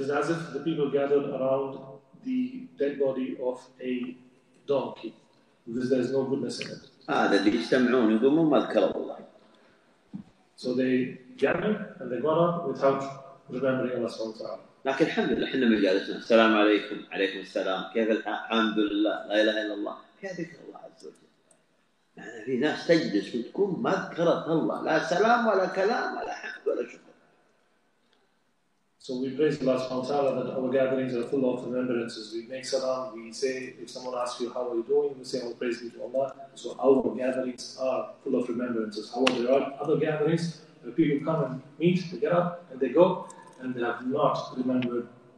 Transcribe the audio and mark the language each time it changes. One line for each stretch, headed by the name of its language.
English: It is as if the people gathered around the dead body of a donkey, because there is no goodness in it.
Arabic: اللي يجتمعون يقومون ما ذكروا الله.
English: So they gather and they got up without remembering Allah SWT.
Arabic: لكن الحمد لله احنا من جالسنا السلام عليكم عليكم السلام كيف الحمد لله لا اله الا الله كيف ذكر الله عز وجل يعني في ناس تجلس وتكون ما ذكرت الله لا سلام ولا كلام ولا حمد ولا شكر.
English: So we praise Allah subhanahu wa ta'ala that our gatherings are full of remembrances. We make salam, we say, if someone asks you how are you doing, we say, oh, praise be to Allah. So our gatherings are full of remembrances. However, there are other gatherings where people come and meet, they get up and they go, and they have not remembered.